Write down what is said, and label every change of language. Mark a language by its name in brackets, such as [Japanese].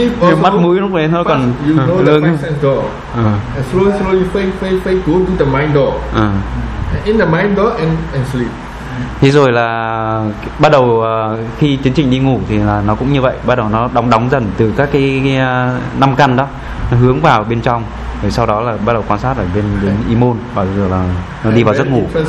[Vietnamese] Nhiều mắt mũi lúc đấy nó còn lớn. [English] Slowly, slowly fade, fade, fade, go to the mind door. In the mind door and sleep. [Vietnamese] Thế rồi là bắt đầu khi tiến trình đi ngủ thì là nó cũng như vậy, bắt đầu nó đóng dần từ các cái năm căn đó, nó hướng vào bên trong, rồi sau đó là bắt đầu quan sát ở bên đến ý môn, và rồi là nó đi vào giấc ngủ.